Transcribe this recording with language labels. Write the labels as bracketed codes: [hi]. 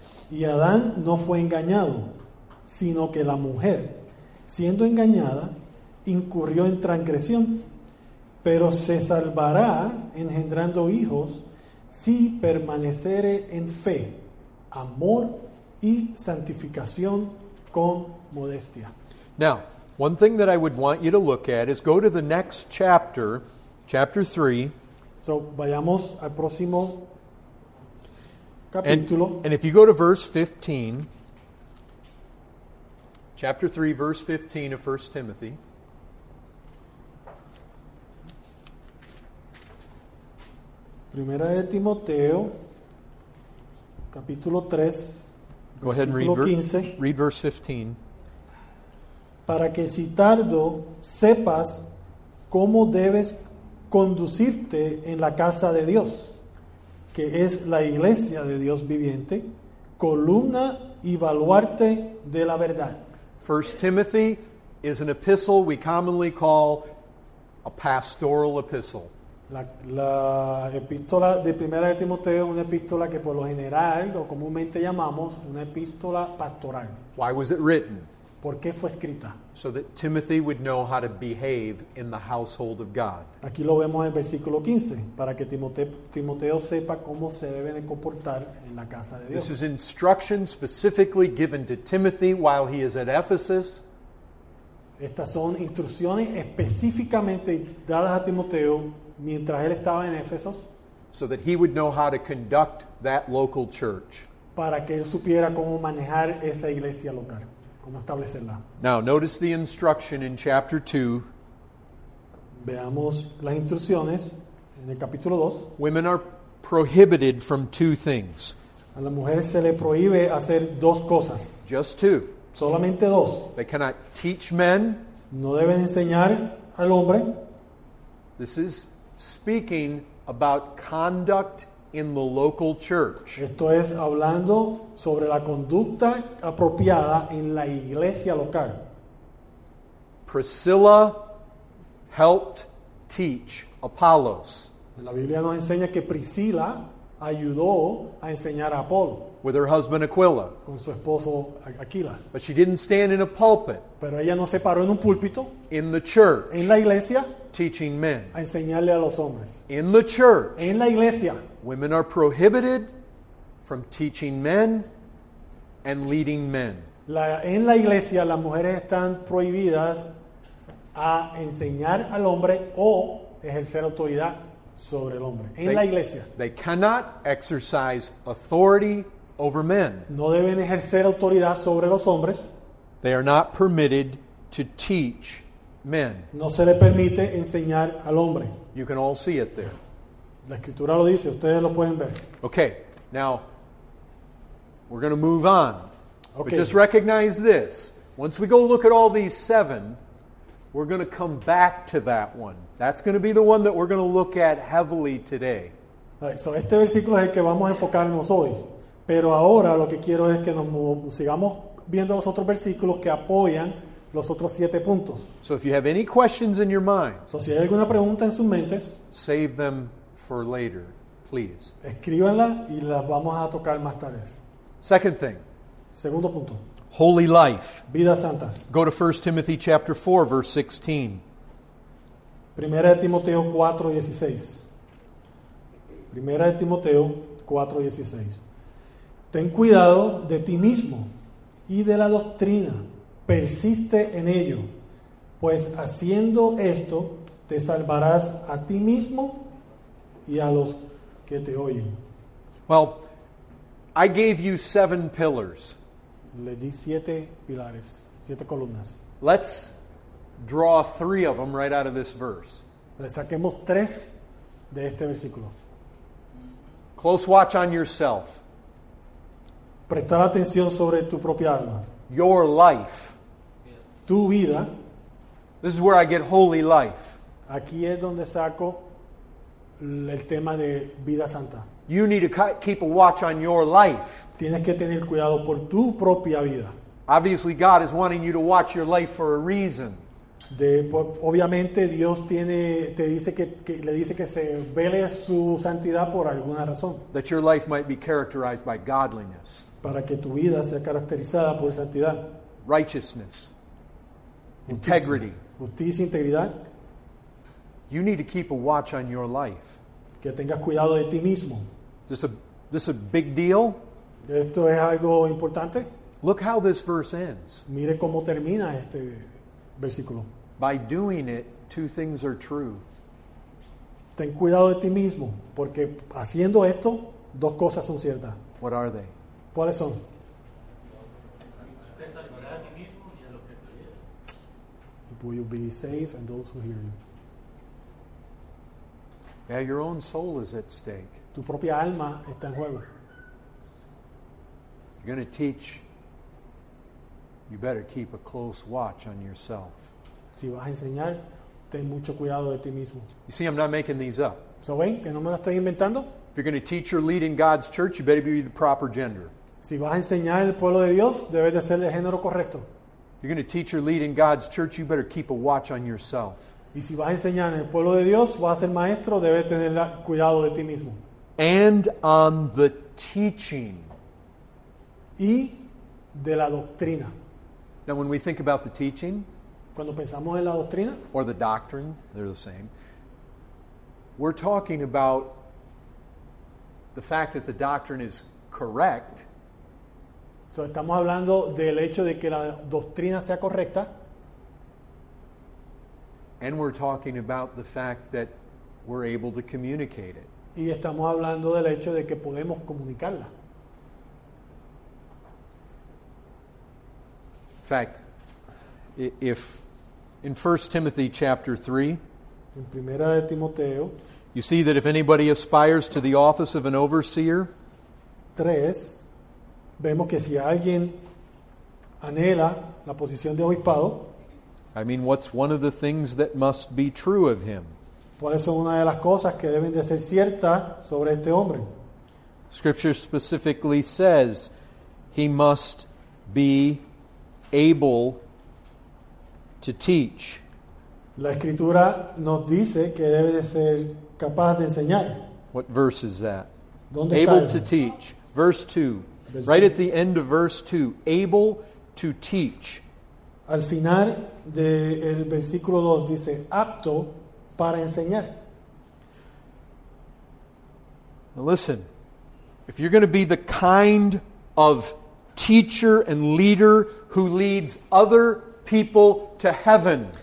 [es] Y Adán no fue engañado, sino que la mujer, siendo engañada, incurrió en transgresión. Pero se salvará engendrando hijos si permaneciere en fe, amor y santificación con modestia. [en] Now, one thing that I would want you to look at is go to the next chapter, chapter 3. [es] So, vayamos al próximo capítulo. [en] And if you go to verse 15, chapter 3, verse 15 of 1 Timothy. [es] Primera de Timoteo, capítulo 3, [en] go ahead and [es] versículo 15. [en] Read verse 15. [es] Para que si tardo sepas cómo debes conducirte en la casa de Dios, que es la iglesia de Dios viviente, columna y baluarte de la verdad. [en] First Timothy is an epistle we commonly call a pastoral epistle. [es] La epístola de Primera de Timoteo es una epístola que por lo general o comúnmente llamamos una epístola pastoral. [en] Why was it written? [es] ¿Por qué fue escrita? [en] So that Timothy would know how to behave in the household of God. [es] Aquí lo vemos en versículo 15, para que Timoteo sepa cómo se debe de comportar en la casa de Dios. [en] This is instruction specifically given to Timothy while he is at Ephesus. [es] Estas son instrucciones específicamente dadas a Timoteo mientras él estaba en Éfeso. [en] So that he would know how to conduct that local church. [es] Para que él supiera cómo manejar esa iglesia local, cómo establecerla. [en] Now, notice the instruction in chapter 2. [es] Veamos las instrucciones en el capítulo 2. [en] Women are prohibited from two things. [es] A la mujer se le prohíbe hacer dos cosas. [en] Just two. [es] Solamente dos. [en] They cannot teach men. [es] No deben enseñar al hombre. [en] This is speaking about conduct in the local church. [es] Esto es hablando sobre la conducta apropiada en la iglesia local. [en] Priscilla helped teach Apollos. [es] La Biblia nos enseña que Priscilla ayudó a enseñar a Apolo. [en] With her husband Aquila. [es] Con su esposo Aquilas. [en] But she didn't stand in a pulpit. [es] Pero ella no se paró en un púlpito. [en] In the church. [es] En la iglesia. [en] Teaching men. [es] A enseñarle a los hombres. [en] In the church. [es] En la iglesia. [en] Women are prohibited from teaching men and leading men. [es] En la iglesia las mujeres están prohibidas a enseñar al hombre o ejercer autoridad sobre el hombre. En la iglesia. [en] They cannot exercise authority over men. [es] No deben ejercer autoridad sobre los hombres. [en] They are not permitted to teach men. [es] No se le permite enseñar al hombre. [en] You can all see it there. [es] La escritura lo dice, ustedes lo pueden ver. [en] Okay, now we're going to move on. Okay. But just recognize this. Once we go look at all these seven, we're going to come back to that one. That's going to be the one that we're going to look at heavily today. Right, so [es] este versículo es el que vamos a enfocarnos hoy. Pero ahora lo que quiero es que nos sigamos viendo los otros versículos que apoyan los otros siete puntos. [en] So if you have any questions in your mind, [es] so si hay alguna pregunta en sus mentes, [en] save them for later, please. [es] Escríbanla y las vamos a tocar más tarde. [en] Second thing. [es] Segundo punto. [en] Holy life. [es] Vidas santas. [en] Go to 1 Timothy chapter 4, verse 16. [es] Primera de Timoteo 4, 16. Primera de Timoteo 4, 16. Ten cuidado de ti mismo y de la doctrina. Persiste en ello, pues haciendo esto, te salvarás a ti mismo y a los que te oyen. [en] Well, I gave you seven pillars. [es] Le di siete pilares, siete columnas. [en] Let's draw three of them right out of this verse. [es] Le saquemos tres de este versículo. [en] Close watch on yourself. [es] Prestar atención sobre tu propia alma. [en] Your life. [es] Tu vida. [en] This is where I get holy life. [es] Aquí es donde saco el tema de vida santa. [en] You need to keep a watch on your life. [es] Tienes que tener cuidado por tu propia vida. [en] Obviously, God is wanting you to watch your life for a reason. [es] Obviamente, Dios le dice que se vele su santidad por alguna razón. [en] That your life might be characterized by godliness. [es] Para que tu vida sea caracterizada por santidad. [en] Righteousness. Integrity. [es] Justicia, integridad. [en] You need to keep a watch on your life. [es] Que tengas cuidado de ti mismo. [en] Is this a big deal? [es] ¿Esto es algo importante? [en] Look how this verse ends. [es] Mire cómo termina este versículo. [en] By doing it, two things are true. [es] Ten cuidado de ti mismo, porque haciendo esto, dos cosas son ciertas. [en] What are they? [es] ¿Cuáles son? Te salvarás a ti mismo y a los que te oyen. [en] People will be safe and those who hear you. Yeah, your own soul is at stake. [es] Tu propia alma está en juego. [en] You're going to teach. You better keep a close watch on yourself. [es] Si vas a enseñar, ten mucho cuidado de ti mismo. [en] You see, I'm not making these up. [es] So, ¿ven? Que no me lo estoy inventando. [en] If you're going to teach or lead in God's church, you better be the proper gender. [es] Si vas a enseñar en el pueblo de Dios, debes de ser de género correcto. [en] If you're going to teach or lead in God's church, you better keep a watch on yourself. [es] Y si vas a enseñar en el pueblo de Dios, vas a ser maestro, debes tener cuidado de ti mismo. [en] And on the teaching. [es] Y de la doctrina. [en] Now, when we think about the teaching, [es] cuando pensamos en la doctrina, [en] or the doctrine, they're the same, we're talking about the fact that the doctrine is correct. [es] So, estamos hablando del hecho de que la doctrina sea correcta. [en] And we're talking about the fact that we're able to communicate it. [es] Y estamos hablando del hecho de que podemos comunicarla. [en] In fact, if in 1 Timothy chapter 3, [es] en Primera de Timoteo, [en] you see that if anybody aspires to the office of an overseer, [es] 3, vemos que si alguien anhela la posición de obispado, [en] I mean, what's one of the things that must be true of him? [es] ¿Cuáles son una de las cosas que deben de ser ciertas sobre este hombre? [en] Scripture specifically says he must be able to teach. [es] La escritura nos dice que debe de ser capaz de enseñar. [en] What verse is that? [es] ¿Dónde [en] able [es] está [en] to él? Teach. Verse 2. Right at the end of verse 2. Able to teach. [es] Al final del versículo 2 dice, apto para enseñar. [en] Now listen, if you're going to be the kind of teacher and leader who leads other people to heaven,